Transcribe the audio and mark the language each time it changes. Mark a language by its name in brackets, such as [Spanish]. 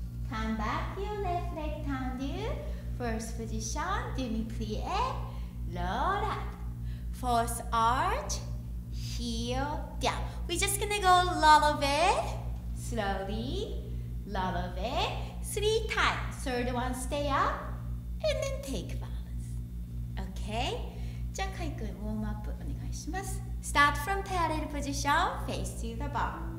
[English] Come back, your left leg tendu, first position, demi plie, roll up, force arch, heel down. We're just gonna go a little bit. Slowly, little bit, 3 times. Third one, stay up, and then take balance. Okay? [Japanese] じゃあ、Kaiくん、ウォームアップお願いします。 [English] Start from parallel position, face to the bar.